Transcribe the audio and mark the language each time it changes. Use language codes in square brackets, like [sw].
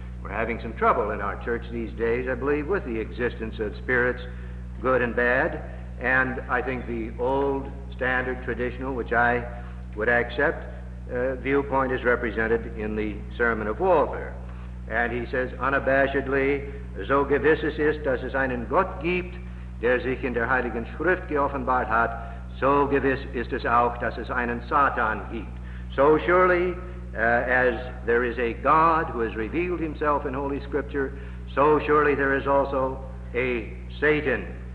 [en] We're having some trouble in our church these days, I believe, with the existence of spirits, good and bad. And I think the old standard traditional, which I would accept, viewpoint is represented in the Sermon of Walter. And he says, unabashedly, [de] so gewiss ist, dass es einen Gott gibt, der sich in der Heiligen Schrift geoffenbart hat, so gewiss ist es auch, dass es einen Satan gibt. [en] So surely as there is a God who has revealed himself in Holy Scripture, so surely there is also a Satan.